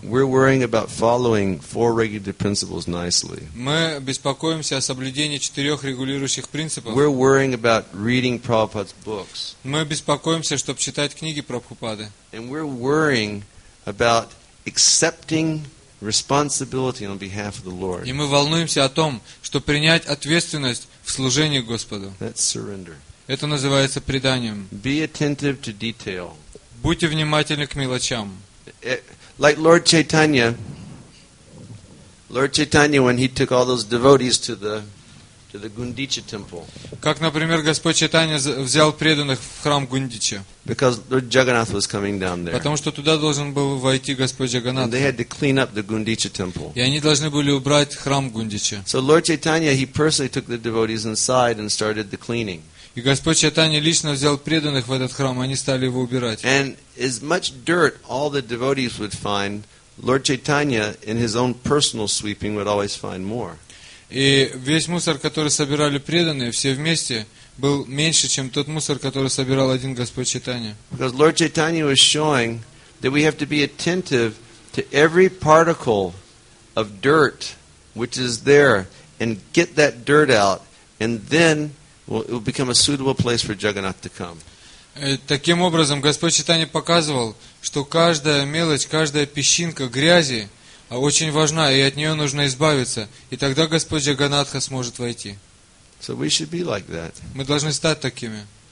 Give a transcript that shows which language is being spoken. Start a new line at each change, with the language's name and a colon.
English: We're worrying about following four regulative principles nicely.
Russian: Мы беспокоимся о соблюдении четырех регулирующих принципов.
English: We're worrying about reading Prabhupada's books.
Russian: Мы беспокоимся, чтобы читать книги Прабхупады.
English: And we're worrying about accepting responsibility on behalf of the Lord.
Russian: И мы волнуемся о том, что принять ответственность в служении Господу.
English: That's surrender.
Russian: Это называется преданием.
English: Be attentive to detail.
Russian: Будьте внимательны к мелочам.
English: Like Lord Chaitanya, when he took all those devotees to the Gundicha temple.
Russian: Как, например, Господь Чайтанья взял преданных в храм Гундича.
English: Because Lord Jagannath was coming down there.
Russian: Потому что туда должен был войти Господь Джаганнат.
English: They had to clean up the Gundicha temple.
Russian: И они должны были убрать храм Гундича.
English: So Lord Chaitanya, he personally took the devotees inside and started the cleaning.
Russian: И Господь Чайтанья лично взял преданных в этот храм, они стали его убирать.
English: And as much dirt all the devotees would find, Lord Chaitanya in his own personal sweeping would always find more.
Russian: И весь мусор, который собирали преданные все вместе, был меньше, чем тот мусор, который собирал один Господь Чайтанья.
English: Because Lord Chaitanya was showing that we have to be attentive to every particle of dirt which is there and get that dirt out, and then it will become a suitable place for Jagannath to come.
Russian: Таким образом, Господь Чайтанья показывал, что каждая мелочь, каждая песчинка грязи очень важна, и от нее нужно избавиться. И тогда Господь Джаганатха сможет войти.
English: So we should be like that.
Russian: Мы должны стать такими.